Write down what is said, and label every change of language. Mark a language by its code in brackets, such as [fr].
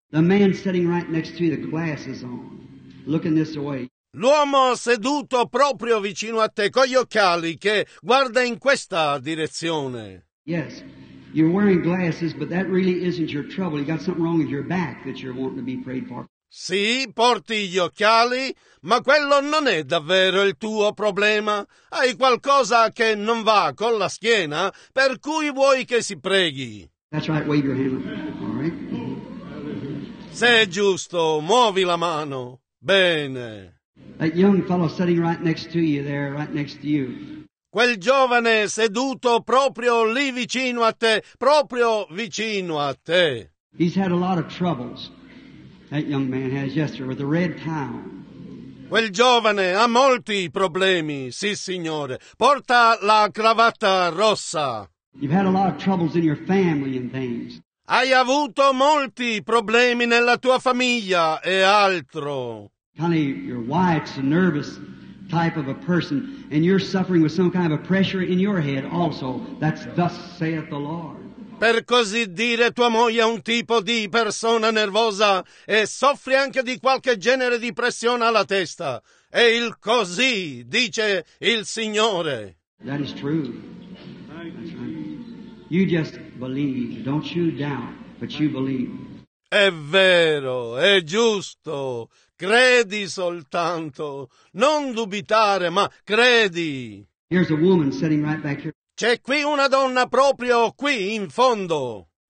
[en] The man sitting right next to you, the glasses on, looking this way. [it] L'uomo seduto proprio vicino a te, con gli occhiali, che guarda in questa direzione. [en] Yes. You're wearing glasses, but that really isn't your trouble. You got something wrong with your back that you're wanting to be prayed for. [it] Sì, porti gli occhiali, ma quello non è davvero il tuo problema. Hai qualcosa che non va con la schiena, per cui vuoi che si preghi. [en] That's right, wave your hand. All right. [it] Se è giusto, muovi la mano. Bene. [en] That young fellow sitting right next to you there, right next to you. [it] Quel giovane seduto proprio lì vicino a te, proprio vicino a te. [en] He's had a lot of troubles, that young man has, yesterday, with the red towel. [it] Quel giovane ha molti problemi, sì signore. Porta la cravatta rossa. [en] You've had a lot of troubles in your family and things. [it] Hai avuto molti problemi nella tua famiglia e altro. [en] Kind of your wife's nervous type of a person, and you're suffering with some kind of a pressure in your head also. That's thus saith the Lord. [it] Per così dire, tua moglie è un tipo di persona nervosa e soffri anche di qualche genere di pressione alla testa. E il così, dice il Signore. [en] That is true. That's right. You just believe. Don't you doubt, but you believe. [it] È vero, è giusto. Credi soltanto. Non dubitare, ma credi. [en] Here's a woman sitting right back here. [it] C'è qui una donna proprio qui in fondo.